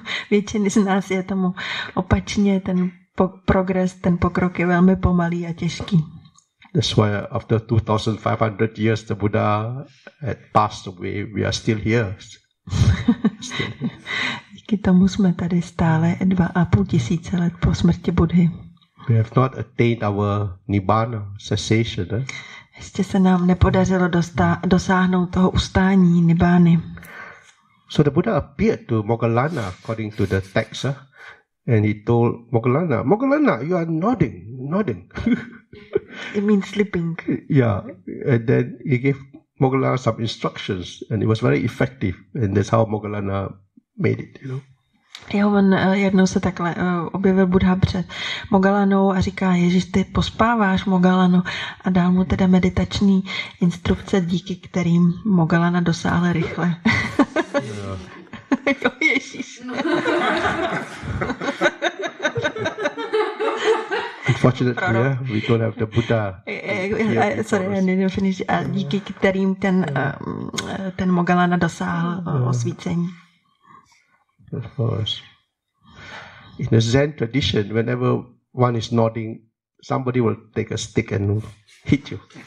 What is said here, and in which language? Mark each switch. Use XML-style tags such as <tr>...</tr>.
<cs>Většiny z nás je tomu opačně, ten progres, ten pokrok je velmi pomalý a těžký.</cs> <en>That's why after 2500 years the Buddha had passed away, we are still here.</en> <cs>Díky tomu jsme tady stále 2500 let po smrti Buddhy.</cs> <en>We have not attained our Nibbana cessation.</en> <cs>Ještě se nám nepodařilo dosáhnout toho ustání Nibbany.</cs> <en>So the Buddha appeared to Moggallana according to the text. And he told Moggallana, Moggallana, you are nodding, nodding. It means sleeping. Yeah. And then he gave Moggallana some instructions and it was very effective. And that's how Moggallana made it, you know.</en> <cs>Jo, on jednou se takhle objevil Buddha před Moggallanou a říká, Ježíš, ty pospáváš, Moggallano, a dal mu teda meditační instrukce, díky kterým Moggallana dosáhl rychle. Jo, Ježíš.</cs> <en>Unfortunately, yeah, we don't have the Buddha. Sorry, I didn't finish.</en> <cs>A díky kterým ten Moggallana dosáhl osvícení.</cs> <en>Of course. In the Zen tradition, whenever one is nodding, somebody will take a stick and hit you.</en>